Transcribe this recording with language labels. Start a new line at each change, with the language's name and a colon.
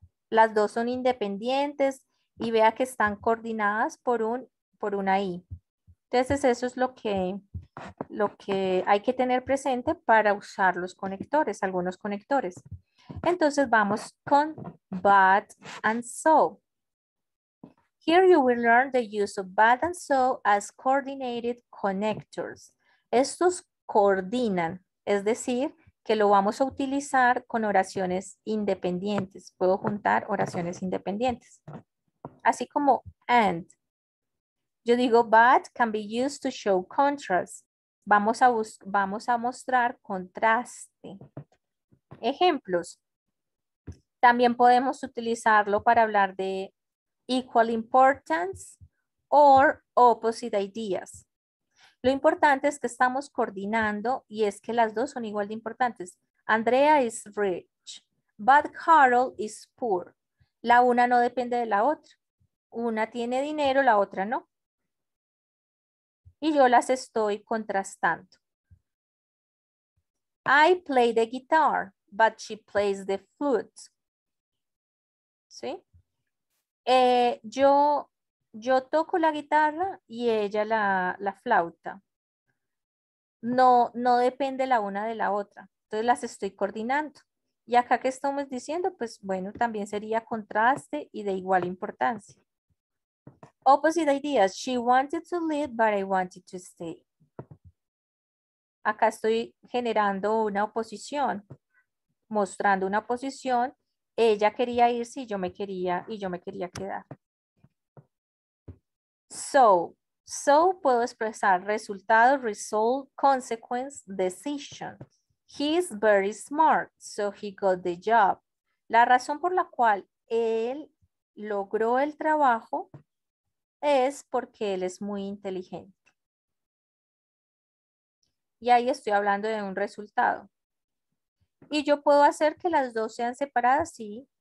Spanish: Las dos son independientes y vea que están coordinadas por una I. Entonces eso es lo que hay que tener presente para usar los conectores, algunos conectores. Entonces vamos con but and so.
English: Here you will learn the use of but and so as coordinated connectors.
Spanish: Estos coordinan, es decir, que lo vamos a utilizar con oraciones independientes. Puedo juntar oraciones independientes. Así como and. Yo digo
English: but can be used to show contrast.
Spanish: Vamos a mostrar contraste. Ejemplos. También podemos utilizarlo para hablar de
English: equal importance or opposite ideas.
Spanish: Lo importante es que estamos coordinando y es que las dos son igual de importantes.
English: Andrea is rich, but Carol is poor.
Spanish: La una no depende de la otra. Una tiene dinero, la otra no. Y yo las estoy contrastando.
English: I play the guitar, but she plays the flute.
Spanish: ¿Sí? Yo toco la guitarra y ella la flauta. No depende la una de la otra. Entonces las estoy coordinando. Y acá que estamos diciendo, pues bueno, también sería contraste y de igual importancia.
English: Opposite ideas. She wanted to leave, but I wanted to stay.
Spanish: Acá estoy generando una oposición, mostrando una oposición. Ella quería irse y yo me quería quedar. So, puedo expresar resultado,
English: result, consequence, decision. He's very smart, so he got the job.
Spanish: La razón por la cual él logró el trabajo es porque él es muy inteligente. Y ahí estoy hablando de un resultado. Y yo puedo hacer que las dos sean separadas, sí.